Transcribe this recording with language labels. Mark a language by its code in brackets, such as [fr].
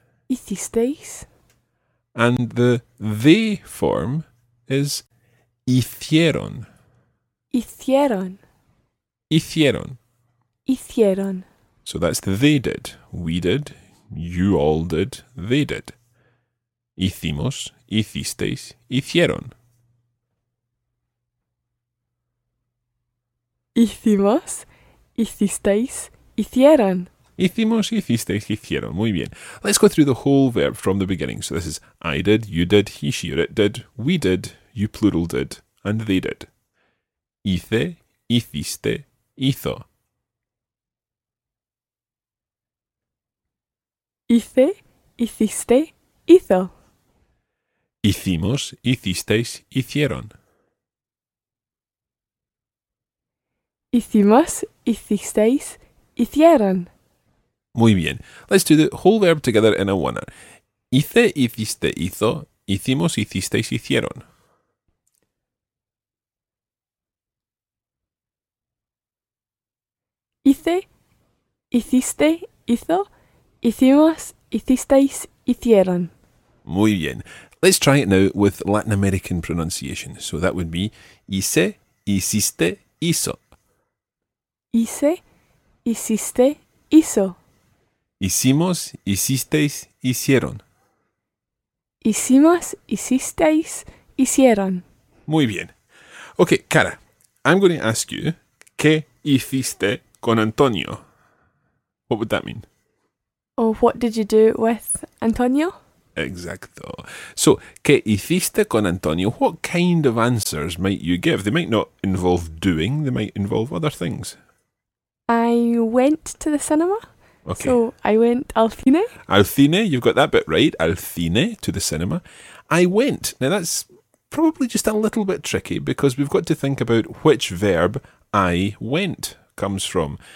[es] Hicisteis. [en] And the they form is hicieron. [es] Hicieron. Hicieron. Hicieron. [en] So that's they did, we did, you all did, they did. [es] Hicimos, hicisteis, hicieron. Hicimos, hicisteis, hicieron. Hicimos, hicisteis, hicieron. Muy bien. [en] Let's go through the whole verb from the beginning. So this is I did, you did, he, she, or it did, we did, you plural did, and they did. [es] Hice, hiciste, hizo. Hice, hiciste, hizo. Hicimos, hicisteis, hicieron. Hicimos, hicisteis, hicieron. Muy bien. [en] Let's do the whole verb together in a one. [es] Hice, hiciste, hizo. Hicimos, hicisteis, hicieron. Hice, hiciste, hizo. Hicimos, hicisteis, hicieron. Muy bien. [en] Let's try it now with Latin American pronunciation. So that would be [es] hice, hiciste, hizo. Hice, hiciste, hizo. Hicimos, hicisteis, hicieron. Hicimos, hicisteis, hicieron. Muy bien. [en] Okay, Cara, I'm going to ask you, [es] ¿qué hiciste con Antonio. [en] What would that mean? Oh, what did you do with Antonio? [es] Exacto. [en] So, [es] ¿qué hiciste con Antonio? [en] What kind of answers might you give? They might not involve doing, they might involve other things. I went to the cinema. Okay. So, I went [es] al cine. Al cine, [en] you've got that bit right. Al cine, to the cinema. I went. Now, that's probably just a little bit tricky because we've got to think about which verb I went comes from.